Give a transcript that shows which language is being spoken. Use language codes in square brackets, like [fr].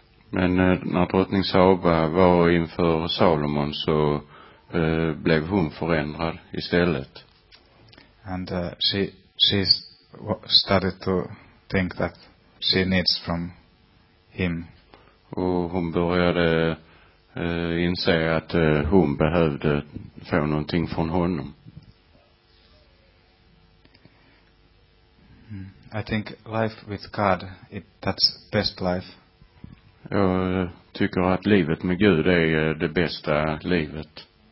[sv] Men när drottning Saba var inför Salomon så blev hon förändrad istället. [en] And she started to think that she needs from him. [sv] Och hon började inse att hon behövde få någonting från honom. [en] I think life with God, that's best life. [sv] Jag tycker att livet med Gud är det bästa livet.